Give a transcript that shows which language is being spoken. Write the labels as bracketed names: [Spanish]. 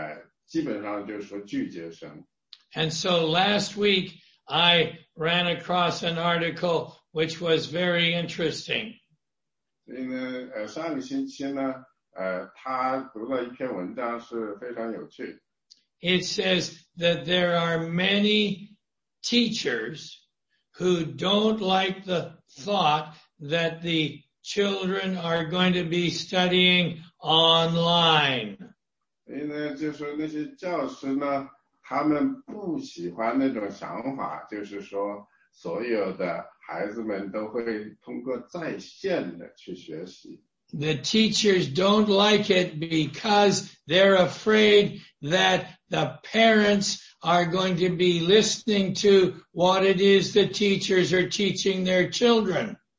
[Chinese] 所以呢,他们基本上说呢,没有神,所以呢,我们所有的人都要跟随人类制定的计划,在他们的,基本上就是说拒绝神。 [English] And so last week, I ran across an article which was very interesting. [Chinese] 上个星期呢, [English] it says that there are many teachers who don't like the thought that the children are going to be studying online. [Chinese] 因为就是那些教师呢, 他们不喜欢那种想法, 就是说, 所有的孩子们都会通过在线的去学习。 [English] The teachers don't like it because they're afraid that the parents are going to be listening to what it is the teachers are teaching their children.